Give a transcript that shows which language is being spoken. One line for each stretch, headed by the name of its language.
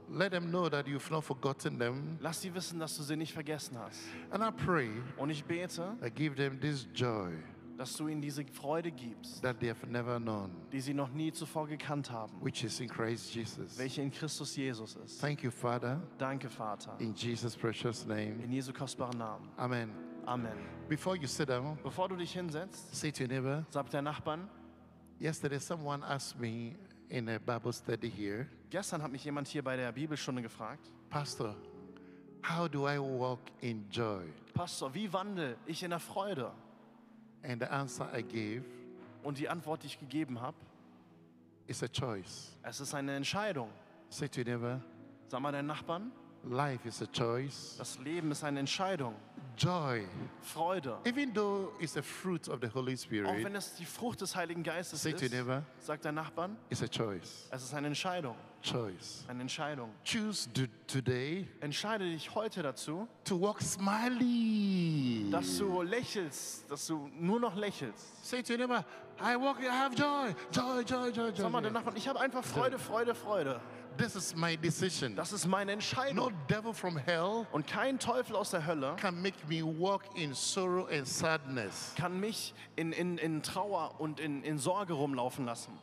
English: Let them know that you've not forgotten them.
German: Lass sie wissen, dass du sie nicht vergessen hast.
English: And I pray,
German: und ich bete,
English: I give them this joy,
German: dass du ihnen diese Freude gibst,
English: that they have never known,
German: die sie noch nie zuvor gekannt haben,
English: which is in Christ Jesus,
German: welche in Christus Jesus ist.
English: Thank you, Father.
German: Danke, Vater.
English: In Jesus' precious name.
German: In Jesu kostbaren Namen.
English: Amen.
German: Amen.
English: Before you sit down,
German: bevor du dich hinsetzt,
English: say to your neighbor,
German: sag deinem Nachbarn,
English: yesterday someone asked me in a Bible study here,
German: gestern hat mich jemand hier bei der Bibelstunde gefragt,
English: Pastor, how do I walk in joy?
German: Pastor, wie wandle ich in der Freude?
English: And the answer I gave,
German: und die Antwort, die ich gegeben habe,
English: is a choice.
German: Es ist eine Entscheidung.
English: Say to your neighbor,
German: sag mal deinem Nachbarn,
English: life is a choice.
German: Das Leben ist eine Entscheidung.
English: Joy.
German: Freude.
English: Even though it's the fruit of the Holy Spirit.
German: Auch wenn es die Frucht des Heiligen Geistes ist.
English: Say to your neighbor,
German: sagt dein Nachbarn.
English: It's a choice.
German: Es ist eine Entscheidung.
English: choice.
German: Eine Entscheidung.
English: Choose to, today.
German: Entscheide dich heute dazu.
English: To walk smiley.
German: Dass du lächelst, dass du nur noch lächelst.
English: Say to your neighbor, I walk, I have joy, joy, joy, joy, joy.
German: Sag mal, danach, ich habe einfach Freude, Freude, Freude.
English: This is my decision.
German: Das ist meine Entscheidung.
English: No devil from hell
German: und kein Teufel aus der Hölle
English: can make me walk in sorrow and sadness.
German: Kann mich in Trauer und in Sorge rumlaufen lassen.